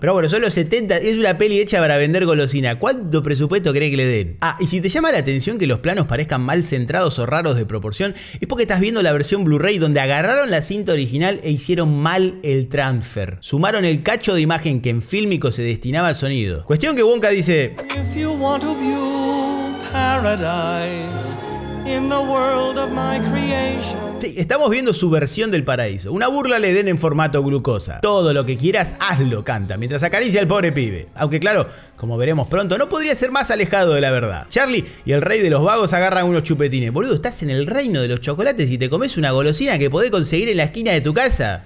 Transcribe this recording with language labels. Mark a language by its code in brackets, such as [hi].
[es] Pero bueno, son los 70, es una peli hecha para vender golosina. ¿Cuánto presupuesto cree que le den? Ah, y si te llama la atención que los planos parezcan mal centrados o raros de proporción, es porque estás viendo la versión Blu-ray donde agarraron la cinta original e hicieron mal el transfer. Sumaron el cacho de imagen que en fílmico se destinaba al sonido. Cuestión que Wonka dice: [en] If you want to view paradise, in the world of my creation. [es] Sí, estamos viendo su versión del paraíso. Una burla al Edén en formato glucosa. Todo lo que quieras, hazlo, canta, mientras acaricia al pobre pibe. Aunque claro, como veremos pronto, no podría ser más alejado de la verdad. Charlie y el rey de los vagos agarran unos chupetines. Boludo, estás en el reino de los chocolates y te comes una golosina que podés conseguir en la esquina de tu casa.